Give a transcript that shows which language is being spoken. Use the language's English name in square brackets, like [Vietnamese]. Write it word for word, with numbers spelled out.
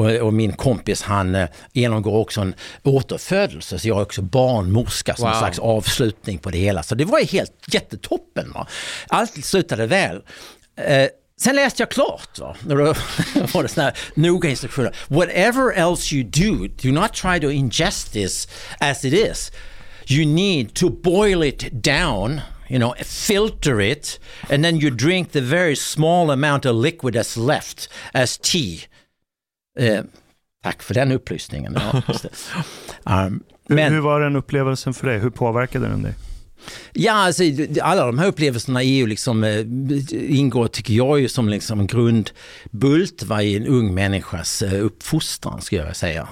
[Swedish] Och, och min kompis, han genomgår också en återfödelse, så jag är också barnmorska som wow. en slags avslutning på det hela. Så det var ju helt jättetoppen. Va? Allt slutade väl. Eh, Sen läste jag klart, va? Då var det såna här noga instruktioner. [English] Whatever else you do, do not try to ingest this as it is. You need to boil it down, you know, filter it, and then you drink the very small amount of liquid that's left as tea. [Swedish] Eh, tack för den upplysningen. um, men, hur var den upplevelsen för dig? Hur påverkade den dig? Ja, alltså, alla de här upplevelserna är ju liksom, eh, ingår tycker jag ju som liksom en grundbult va, i en ung människas eh, uppfostran skulle jag säga.